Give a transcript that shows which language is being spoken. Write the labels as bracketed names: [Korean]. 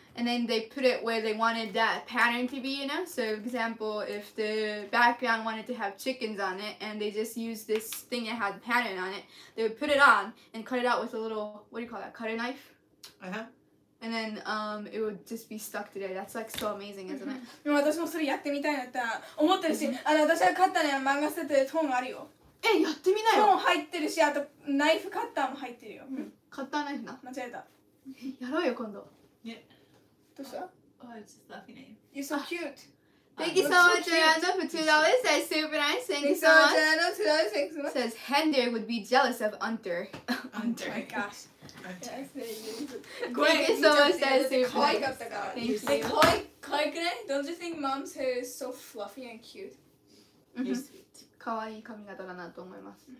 [English] And then they put it where they wanted that pattern to be, you know? So, for example, if the background wanted to have chickens on it, and they just used this thing that had pattern on it, they would put it on and cut it out with a little, what do you call that, cutter knife? Uh-huh. And then it would just be stuck today. That's like so amazing, isn't it? [Japanese] でも私もそれやってみたいなって思ってるし、あの私が買ったね漫画セットでトーンあるよ。え、やってみなよ。トーン入ってるし、あとナイフカッターも入ってるよ。カッターナイフな。間違えた。やろうよ今度。どうした？ [English] Oh, it's just laughing at you. You're so cute. Thank you so much, Ariana, for $2. That's super nice. Thank you so much. Ariana, $2. Thanks so much. Says Hender would be jealous of Hunter. Hunter. My gosh. Thank you so much, that is super nice. Thank you. Thank you. Don't you think mom's hair is so fluffy and cute? [Japanese] 可愛い髪型だなと思います。